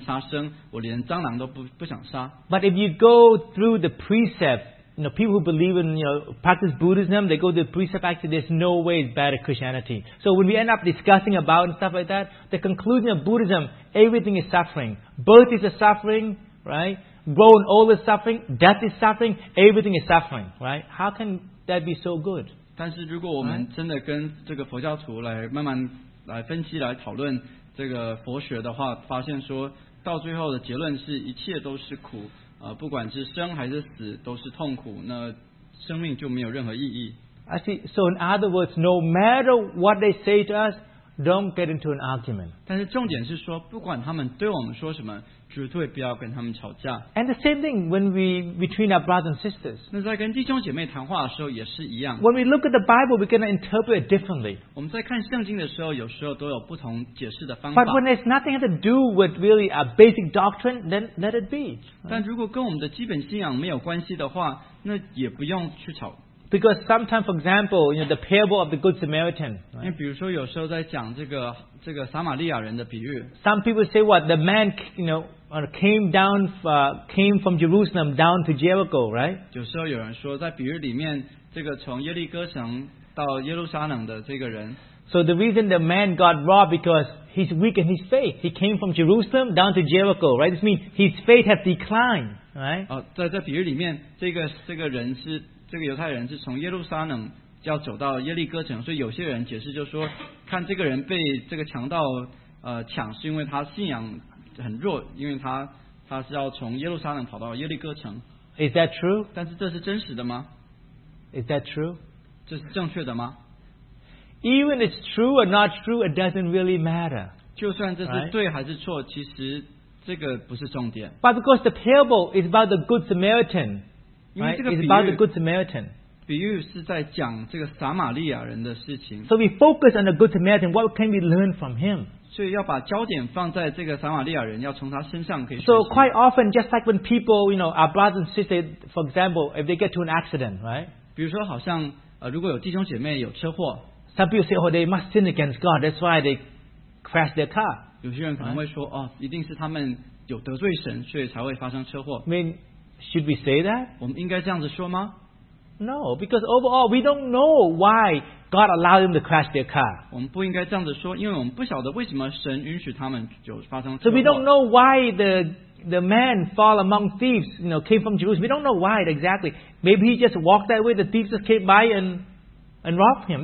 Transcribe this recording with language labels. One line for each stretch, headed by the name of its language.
Chinese: 佛教真的很好，佛教里面有很多很好的这些观念，比如说在佛这个佛学里面不能杀害任何有生命的这些东西。那我本身自己很讨厌杀生，我连蟑螂都不想杀。
English: But if you go through the precept, you know, people who believe in, you know, practice Buddhism, they go to the precept, actually there's no way it's bad at Christianity. So when we end up discussing about and stuff like that, the conclusion of Buddhism, everything is suffering. Birth is a suffering, right? Grown old is suffering, death is suffering, everything is suffering, right? How can that be so good?
Chinese: 但是如果我们真的跟这个佛教徒来慢慢来分析来讨论这个佛学的话, 发现说到最后的结论是一切都是苦, 不管是生还是死都是痛苦, 那生命就没有任何意义。
English: I see, so in other words, no matter what they say to us, don't get into an argument.
Chinese: 但是重点是说, 不管他们对我们说什么,
English: and the same thing when we between our brothers and sisters.
Chinese: 那在跟弟兄姐妹谈话的时候也是一样。
English: When we look at the Bible, we're going to interpret it differently.
Chinese: 我们在看圣经的时候，有时候都有不同解释的方法。
English: But when it's nothing to do with really a basic doctrine, then let it be.
Chinese: 但如果跟我们的基本信仰没有关系的话，那也不用去吵。
English: Because sometimes, for example, you know, the parable of the Good Samaritan. Right?
Chinese: 因为比如说有时候在讲这个撒玛利亚人的比喻。
English: Some people say what the man, you know, came from Jerusalem down to Jericho, right?
Chinese: 有时候有人说在比喻里面，这个从耶利哥城到耶路撒冷的这个人。
English: So the reason the man got robbed because he's weak in his faith. He came from Jerusalem down to Jericho, right? This means his faith has declined, right?
Chinese: 在比喻里面，这个犹太人是从耶路撒冷。要走到耶利哥城，所以有些人解释就说，看这个人被这个强盗抢，是因为他信仰很弱，因为他是要从耶路撒冷跑到耶利哥城。
English: Is that true?
Chinese: 但是这是真实的吗？
English: Is that true?
Chinese: 这是正确的吗？
English: Even it's true or not true, it doesn't really matter.
Chinese: 就算这是对还是错，
English: right?
Chinese: 其实这个不是重点。
English: But because the parable is about the Good Samaritan, right? It's about the Good Samaritan.
Chinese: 比喻是在讲这个撒玛利亚人的事情。
English: So we focus on the Good Samaritan. What can we learn from him?
Chinese: 所以要把焦点放在这个撒玛利亚人，要从他身上可以学习。
English: So quite often, just like when people, you know, our brothers and sisters, for example, if they get to an accident, right?
Chinese: 比如说，好像如果有弟兄姐妹有车祸，
English: some people say, oh, they must sin against God. That's why they crash their car.
Chinese: 有些人可能会说，哦，一定是他们有得罪神，所以才会发生车祸。
English: I mean, should we say that?
Chinese: 我们应该这样子说吗？
English: No, because overall, we don't know why God allowed them to crash their car.
Chinese: 我们不应该这样子说，因为我们不晓得为什么神允许他们就发生车祸。
English: So we don't know why the man fall among thieves, you know, came from Jerusalem. We don't know why exactly. Maybe he just walked that way, the thieves just came by and robbed him.